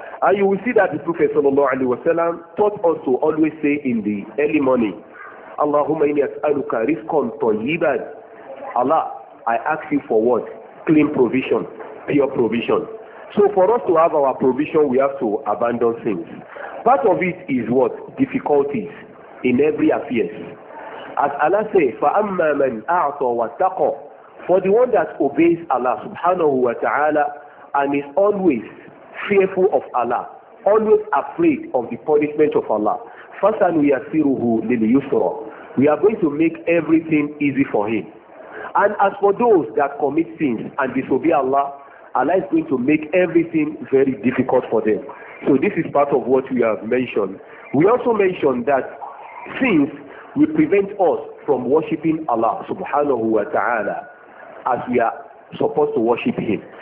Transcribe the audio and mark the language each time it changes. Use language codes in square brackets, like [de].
[en] And you will see that the Prophet sallallahu alaihi wasallam taught us to always say in the early morning, Allahumma inni as'aluka rizqan tayyiban. Allah, I ask you for what? Clean provision, pure provision. So for us to have our provision, we have to abandon sins. Part of it is what? Difficulties in every affairs. As Allah says, [ar] فَأَمَّا مَنْ أَعْطَى وَاتَّقَى. [en] For the one that obeys Allah subhanahu wa ta'ala and is always fearful of Allah, always afraid of the punishment of Allah, [ar] فَسَنُ يَسِرُهُ لِلْيُسْرَى. [en] We are going to make everything easy for him. And as for those that commit sins and disobey Allah, Allah is going to make everything very difficult for them. So this is part of what we have mentioned. We also mentioned that sins will prevent us from worshipping Allah subhanahu wa ta'ala as we are supposed to worship him.